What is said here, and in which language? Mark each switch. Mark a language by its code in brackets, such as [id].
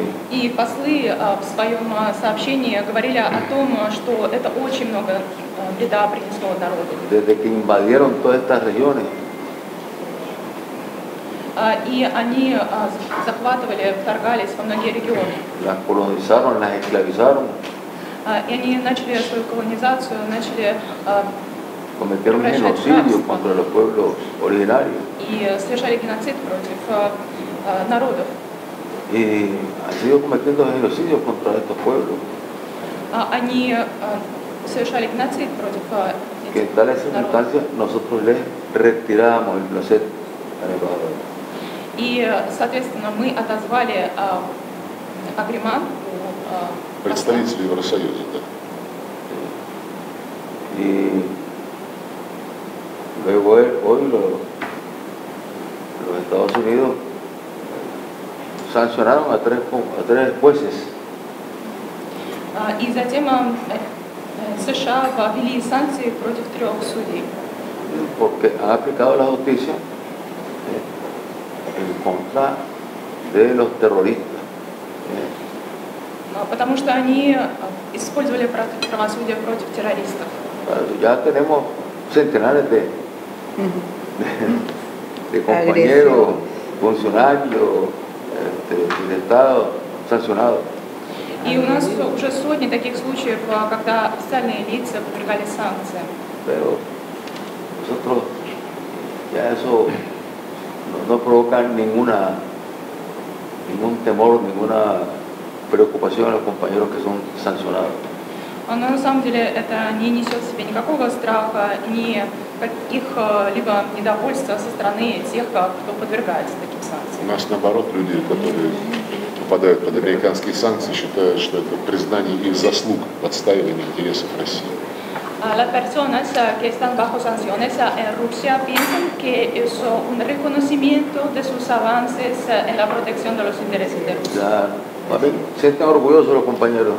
[ru] И послы в своем сообщении говорили о том, что это очень много беда принесло народу. [es] Desde que invadieron todas estas regiones. [ru] И они захватывали, вторгались во многие регионы. [es] Las colonizaron, las esclavizaron. [ru] И они начали свою колонизацию, начали [es] cometieron genocidio contra los pueblos originarios. [ru] И совершали геноцид против народов. [es] Y han sido cometiendo genocidios contra estos pueblos. [ru] Они совершали геноцид против народов. [es] Que en tales circunstancias nosotros les retirábamos el placer al embajador. [ru] И, соответственно, мы отозвали агреман представителей Евросоюза, да. [es] И luego hoy los Estados Unidos [ru] санкционировали трех поясов. И затем США ввели санкции против трех судей. [es] Porque ha aplicado la justicia en contra de los terroristas. [ru] Потому что они использовали правосудие против террористов. [es] Ya tenemos centenares de, de compañeros, funcionarios del Estado sancionados. [ru] И у нас уже сотни таких случаев, когда официальные лица подвергали санкциям. Pero nosotros ya eso no provoca ninguna, ningún temor, ninguna preocupación a los compañeros que son sancionados. Но на самом деле это не несет в себе никакого страха, ни каких-либо недовольства со стороны тех, кто подвергается таким санкциям. У нас наоборот люди, которые попадают под американские санкции, считают, что это признание их заслуг в отстаивании интересов России. [es] Las personas que están bajo sanciones en Rusia piensan que es un reconocimiento de sus avances en la protección de los intereses de Rusia. Sienten orgullosos los compañeros.